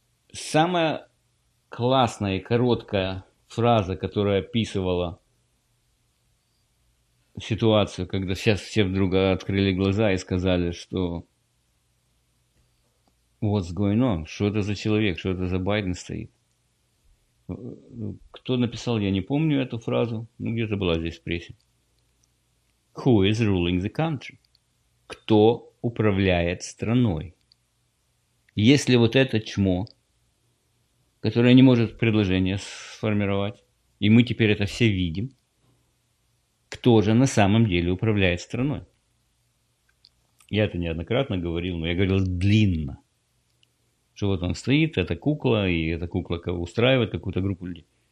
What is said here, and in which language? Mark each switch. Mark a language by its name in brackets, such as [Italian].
[Russian] Самая классная и короткая фраза, которая описывала ситуацию, когда сейчас все вдруг открыли глаза и сказали, что [English] what's going on? [Russian] Что это за человек? Что это за Байден стоит? Кто написал, я не помню эту фразу, ну где-то была здесь в прессе. [English] Who is ruling the country? [Russian] Кто управляет страной? Если вот это чмо, которое не может предложение сформировать, и мы теперь это все видим, кто же на самом деле управляет страной? Я это неоднократно говорил, но я говорил длинно. Что вот он стоит, это кукла, и эта кукла устраивает какую-то группу людей.